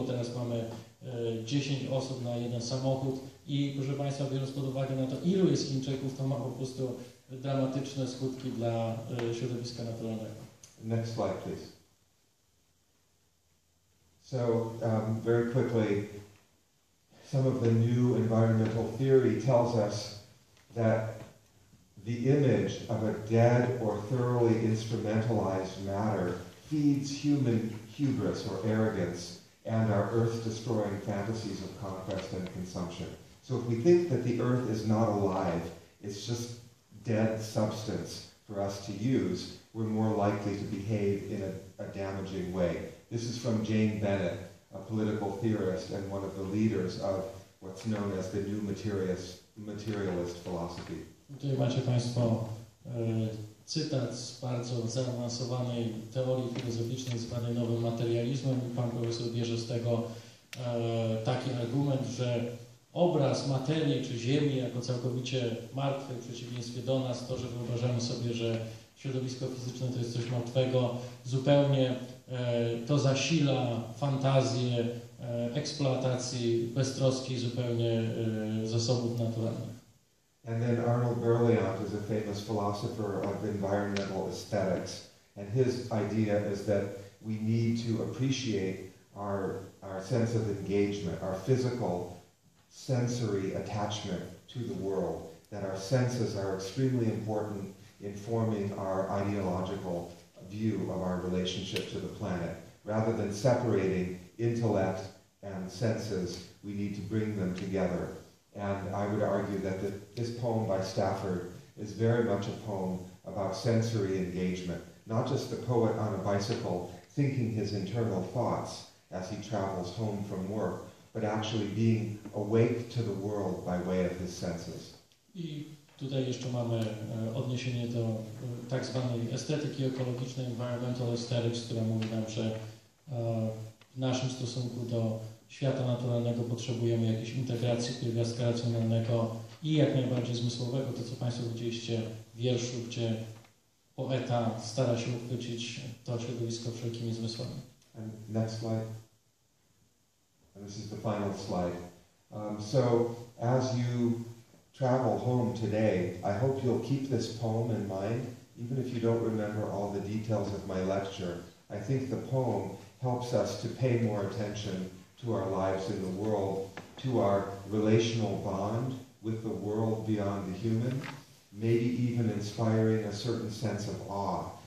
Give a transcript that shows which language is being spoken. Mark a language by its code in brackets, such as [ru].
[pl] Teraz mamy 10 osób na jeden samochód. I proszę Państwa, biorąc pod uwagę na to, ilu jest Chińczyków, to ma po prostu dramatyczne skutki dla środowiska naturalnego. [en] Next slide, please. So, very quickly, some of the new environmental theory tells us that the image of a dead or thoroughly instrumentalized matter feeds human hubris or arrogance and our earth-destroying fantasies of conquest and consumption. So if we think that the earth is not alive, it's just dead substance for us to use, we're more likely to behave in a damaging way. This is from Jane Bennett, a political theorist and one of the leaders of what's known as the new materialist philosophy. [pl] Tutaj macie Państwo cytat z bardzo zaawansowanej teorii filozoficznej zwanej nowym materializmem. Pan profesor bierze z tego taki argument, że obraz materii czy Ziemi jako całkowicie martwej w przeciwieństwie do nas, to, że wyobrażamy sobie, że środowisko fizyczne to jest coś martwego, zupełnie to zasila fantazję eksploatacji beztroski zupełnie zasobów naturalnych. [en] And then Arnold Berliant is a famous philosopher of environmental aesthetics, and his idea is that we need to appreciate our sense of engagement, our physical sensory attachment to the world, that our senses are extremely important in forming our ideological view of our relationship to the planet. Rather than separating intellect and senses, we need to bring them together. And I would argue that this poem by Stafford is very much a poem about sensory engagement. Not just the poet on a bicycle thinking his internal thoughts as he travels home from work, but actually being awake to the world by way of his senses. [pl] I tutaj jeszcze mamy odniesienie do tak zwanej estetyki ekologicznej, environmental aesthetics, która mówi nam, że w naszym stosunku do świata naturalnego potrzebujemy jakiejś integracji pierwiastka racjonalnego i jak najbardziej zmysłowego. To, co Państwo widzieliście w wierszu, gdzie poeta stara się uchwycić to środowisko wszelkimi zmysłami. [en] And next slide. And this is the final slide. So as you travel home today, I hope you'll keep this poem in mind, even if you don't remember all the details of my lecture. I think the poem helps us to pay more attention to our lives in the world, to our relational bond with the world beyond the human, maybe even inspiring a certain sense of awe.